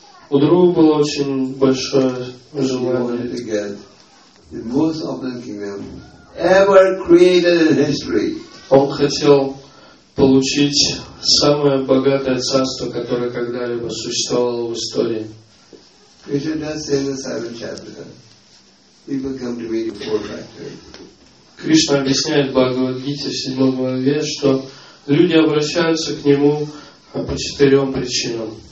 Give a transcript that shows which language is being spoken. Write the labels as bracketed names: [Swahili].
[Russian] У Друви было очень большое желание. [English] The most opulent kingdom ever created in history. [Russian] Он хотел получить самое богатое царство, которое когда-либо существовало в истории. [English] Krishna does say in the seventh chapter, people come to me in four factors. [Russian] Кришна объясняет в Бхагавад-гите в седьмой главе, что люди обращаются к нему по четырем причинам.